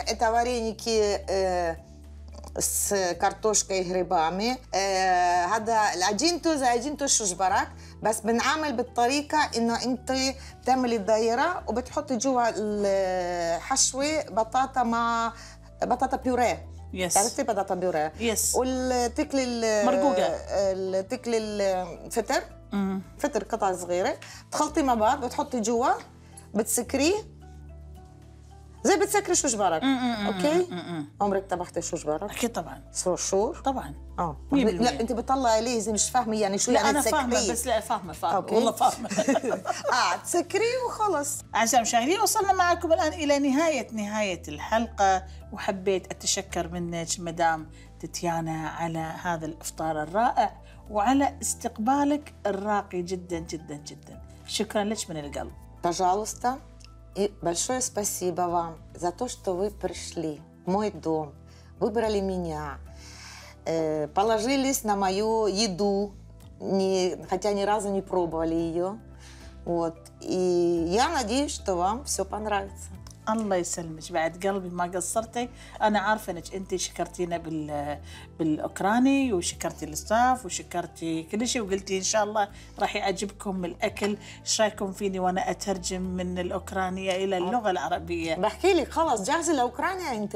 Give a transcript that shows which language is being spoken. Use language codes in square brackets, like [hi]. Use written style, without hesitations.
[ru] это وارينيكي с картошкой и грибами. [ar] هذا العجينته زي عجينته الشجبرك، بس بنعمل بالطريقة إنه أنت تعملي الدائرة وبتحطي جوا الحشوة بطاطا مع بطاطا بيوريه. [en] Yes. [ar] تعرفتي بطاطا بيوريه؟ [en] Yes. [ar] والتكلي مرقوقة. التكلي الفطر. فطر قطع صغيرة تخلطي مع بعض بتحطي جوا بتسكريه زي بتسكري شوشبارك. اوكي. عمرك طبختي شوشبارك؟ اكيد طبعا. شوشور طبعا. لا انت بتطلع لي زي مش فاهمه يعني شو يعني تسكري. انا فاهمه بس لا فاهمه أوكي. والله فاهمه. تسكري وخلص. عشان المشاهدين وصلنا معكم الان الى نهايه الحلقه، وحبيت اتشكر منك مدام تاتيانا على هذا الافطار الرائع وعلى استقبالك الراقي جدا جدا جدا. شكرا لك من القلب. [ru] пожалуйста. И большое спасибо вам за то, что вы пришли в мой дом, выбрали меня, положились на мою еду, хотя ни разу не пробовали ее. Вот. И я надеюсь, что вам все понравится. [ar] الله يسلمك. بعد قلبي ما قصرتي. انا عارفه انك انت شكرتينا بالاوكراني وشكرتي الستاف وشكرتي كل شيء، وقلتي ان شاء الله راح يعجبكم الاكل. ايش رايكم فيني وانا اترجم من الاوكرانيه الى اللغه العربيه؟ بحكي لي خلاص جاهزه الاوكرانيا انت.